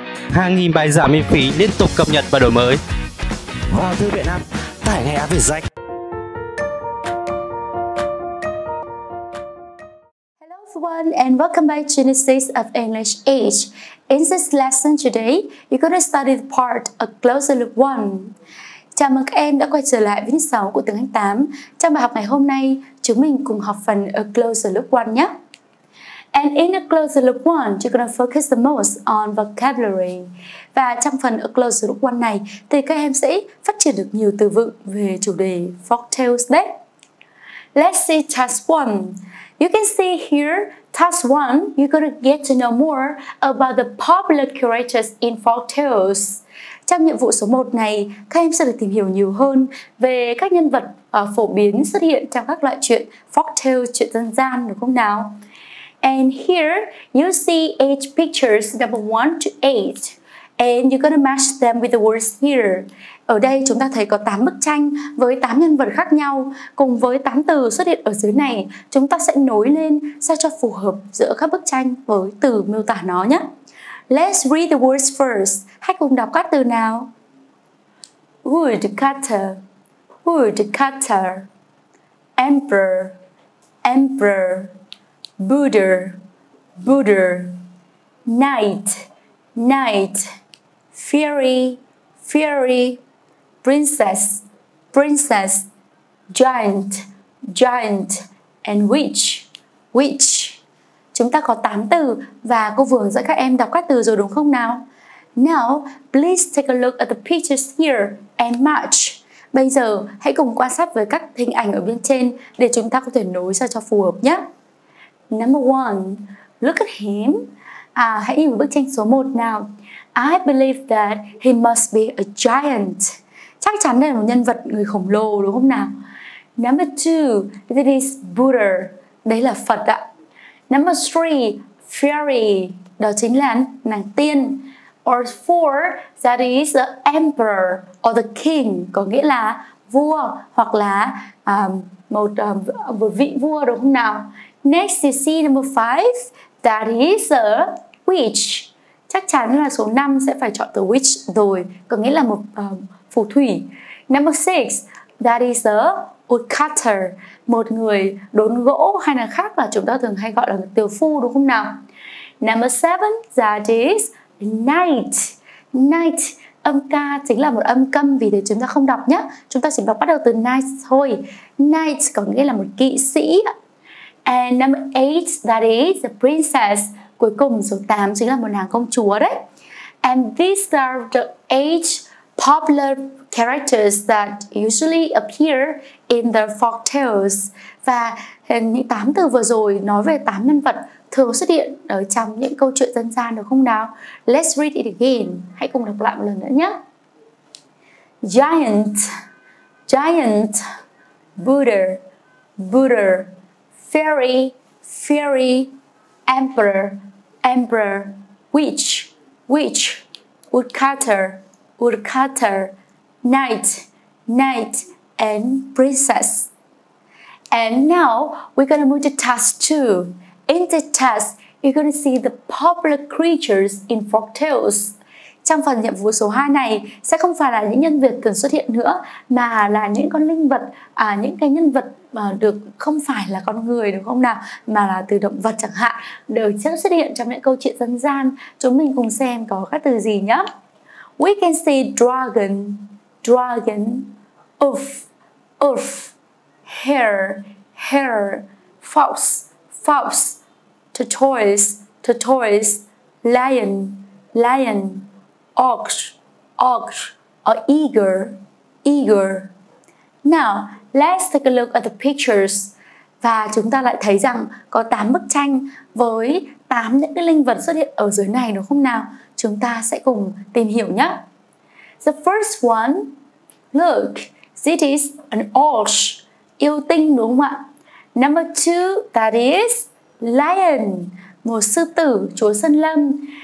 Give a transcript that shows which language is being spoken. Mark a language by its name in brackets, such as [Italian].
[Vietnamese] Hàng nghìn bài giảng miễn phí liên tục cập nhật và đổi mới. Vào thư viện app, tải ngay app VietJack. [English] Hello everyone and welcome back to the series of English Age. In this lesson today, you're going to study the part A Closer Look 1. [Vietnamese] Chào mừng các em đã quay trở lại với 6 của tiếng Anh 8. Trong bài học ngày hôm nay, chúng mình cùng học phần A Closer Look 1 nhé. [English] And in A Closer Look 1, you're going to focus the most on vocabulary. [Vietnamese] Và trong phần A Closer Look 1 này, thì các em sẽ phát triển được nhiều từ vựng về chủ đề folktales đấy. [English] Let's see task 1. You can see here, task 1, you're going to get to know more about the popular characters in folktales. [Vietnamese] Trong nhiệm vụ số 1 này, các em sẽ được tìm hiểu nhiều hơn về các nhân vật phổ biến xuất hiện trong các loại chuyện folktales, chuyện dân gian, đúng không nào? [English] And here, you see 8 pictures, number 1 to 8. And you're going to match them with the words here. [Vietnamese] Ở đây chúng ta thấy có 8 bức tranh với 8 nhân vật khác nhau cùng với 8 từ xuất hiện ở dưới này. Chúng ta sẽ nối lên sao cho phù hợp giữa các bức tranh với từ miêu tả nó nhé. [English] Let's read the words first. [Vietnamese] Hãy cùng đọc các từ nào. [English] Woodcutter, woodcutter. Emperor, emperor. Buddha, Buddha. Knight, knight. Fairy, fairy. Princess, princess. Giant, giant. And witch, witch. [Vietnamese] Chúng ta có 8 từ và cô Vương dẫn các em đọc các từ rồi đúng không nào? [English] Now, please take a look at the pictures here and match. [Vietnamese] Bây giờ hãy cùng quan sát với các hình ảnh ở bên trên để chúng ta có thể nối sao cho phù hợp nhé. [English] Number 1, look at him. [Vietnamese] Hãy nhìn bức tranh số 1 nào. [English] I believe that he must be a giant. [Vietnamese] Chắc chắn đây là một nhân vật người khổng lồ đúng không nào? [English] Number 2, it is Buddha. [Vietnamese] Đấy là Phật ạ. [English] Number 3, fairy. [Vietnamese] Đó chính là nàng tiên. [English] Or 4, that is the emperor or the king. [Vietnamese] Có nghĩa là vua hoặc là một vị vua đúng không nào? [English] Next, you see number 5, that is a witch. [Vietnamese] Chắc chắn là số 5 sẽ phải chọn từ witch rồi, có nghĩa là một phù thủy. [English] Number 6, that is a woodcutter, [Vietnamese] một người đốn gỗ hay là khác là chúng ta thường hay gọi là tiều phu đúng không nào? [English] Number 7, that is knight. [Vietnamese] Knight, âm ca chính là một âm câm vì thế chúng ta không đọc nhé. Chúng ta chỉ đọc bắt đầu từ knight thôi. Knight có nghĩa là một kỵ sĩ. [English] And number 8, that is the princess. [Vietnamese] Cuối cùng số 8 chính là một nàng công chúa đấy. [English] And these are the 8 popular characters that usually appear in the folktales. [Vietnamese] Và những 8 từ vừa rồi nói về 8 nhân vật thường xuất hiện ở trong những câu chuyện dân gian được không nào? [English] Let's read it again. [Vietnamese] Hãy cùng đọc lại một lần nữa nhé. [English] Giant, giant. Buddha, Buddha. Fairy, fairy. Emperor, emperor. Witch, witch. Woodcutter, woodcutter. Knight, knight. And princess. And now we're gonna move to task 2. In the task, you're gonna see the popular creatures in folktales. [Vietnamese] Trong phần nhiệm vụ số 2 này sẽ không phải là những nhân vật thường xuất hiện nữa mà là những con linh vật, những cái nhân vật mà được không phải là con người đúng không nào, mà là từ động vật chẳng hạn được xuất hiện trong những câu chuyện dân gian. Chúng mình cùng xem có các từ gì nhé. [English] We can see dragon, dragon. Oof, oof. Hare, hare. Fox, fox. Tortoise, tortoise. Lion, lion. Ox, ox. Or eagle, eagle. Now, let's take a look at the pictures. [Vietnamese] Và chúng ta lại thấy rằng có 8 bức tranh với 8 những cái linh vật xuất hiện ở dưới này đúng không nào? Chúng ta sẽ cùng tìm hiểu nhé. [English] The first one, look, this is an ox, [Vietnamese] yêu tinh đúng không ạ? [English] Number 2, that is lion, [Vietnamese] một sư tử, chúa sơn lâm.